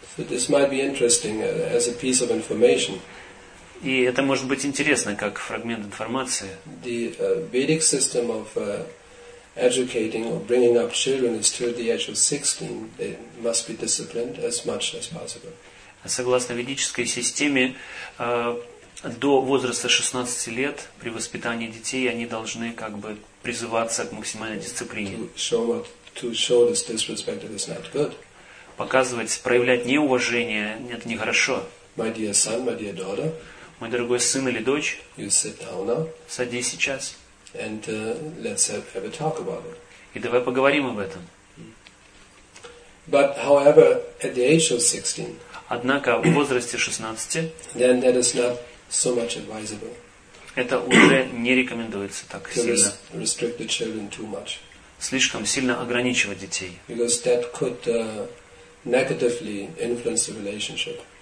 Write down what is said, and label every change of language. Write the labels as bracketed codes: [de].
[en] So this might be interesting as a piece of information. [ru] И это может быть интересно как фрагмент информации. [en] The Vedic system of educating or bringing up children is till the age of 16, they must be disciplined as much as possible. [ru] Согласно ведической системе, до возраста 16 лет при воспитании детей они должны как бы призываться к максимальной дисциплине. [en] To show this disrespect is not good. [ru] Показывать, проявлять неуважение – это нехорошо. [en] My dear son, my dear daughter, [ru] мой дорогой сын или дочь, [en] you sit down now, [ru] садись сейчас. [en] And, let's have a talk about it. [ru] И давай поговорим об этом. [en] But, however, at the age of 16, [ru] однако в возрасте 16 [en] then that is not so much advisable. [ru] Это уже не рекомендуется так [en] to [ru] сильно. [en] Restrict the children too much. [ru] Слишком сильно ограничивать детей. [en] Because that could, negatively influence the relationship.